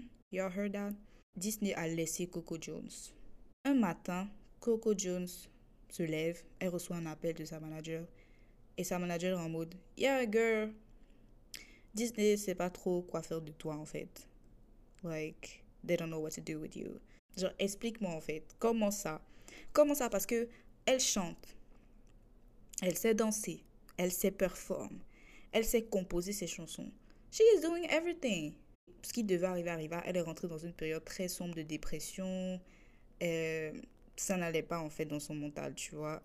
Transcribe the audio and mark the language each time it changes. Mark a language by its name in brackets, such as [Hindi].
[English] Y'all heard that? [French] Disney a laissé Coco Jones. Un matin, Coco Jones se lève, elle reçoit un appel de sa manager. Et sa manager est en mode, [English] yeah girl, [French] Disney sait pas trop quoi faire de toi en fait. [English] Like, they don't know what to do with you. [French] Genre, explique-moi en fait, comment ça? Comment ça? Parce que elle chante, elle sait danser, elle sait performer, elle sait composer ses chansons. [English] She is doing everything. [French] Ce qui devait arriver arriva, elle est rentrée dans une période très sombre de dépression. Ça n'allait pas en fait dans son mental, tu vois.